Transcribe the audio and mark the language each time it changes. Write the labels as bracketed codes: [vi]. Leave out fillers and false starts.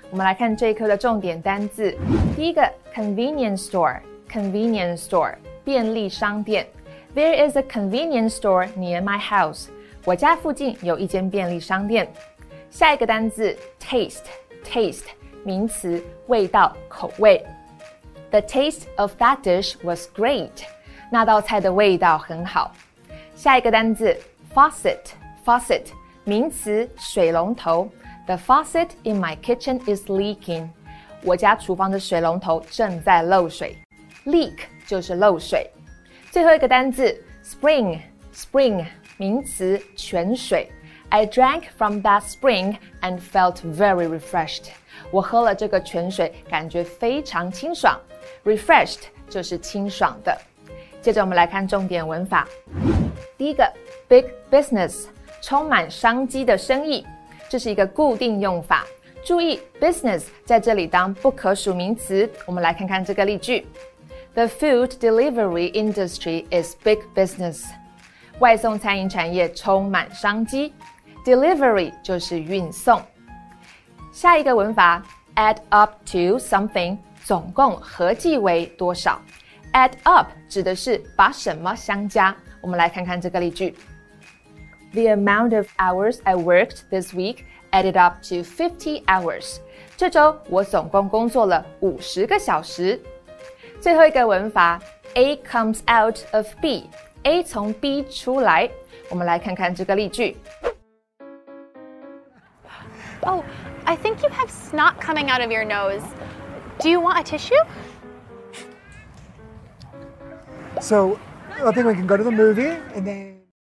[zh] 我们来看这一课的重点单字。第一个 convenience store, convenience store, 便利商店。 [en] There is a convenience store near my house. [zh] 我家附近有一间便利商店。下一个单字 taste, taste, 名词，味道，口味。 [en] The taste of that dish was great. [zh] 那道菜的味道很好。下一个单字 faucet, faucet, 名词，水龙头。 [en] The faucet in my kitchen is leaking. [zh] 我家厨房的水龙头正在漏水。 Leak 就是漏水。最后一个单字 spring, spring, 名词，泉水。 [en] I drank from that spring and felt very refreshed. [zh] 我喝了这个泉水，感觉非常清爽。 Refreshed 就是清爽的。接着我们来看重点文法。第一个 big business, 充满商机的生意。这是一个固定用法。注意 business 在这里当不可数名词。我们来看看这个例句。 [en] The food delivery industry is big business. [zh] 外送餐饮产业充满商机。 Delivery 就是运送。下一个文法 [en] add up to something, [zh] 总共合计为多少。 add up 指的是把什么相加。我们来看看这个例句。 [en] The amount of hours I worked this week added up to 50 hours. [zh] 这周我总共工作了50个小时。最后一个文法 [en] A comes out of B. [zh] A 从 B 出来，我们来看看这个例句。 [en] Oh, I think you have snot coming out of your nose. Do you want a tissue? So, I think we can go to the movie and then...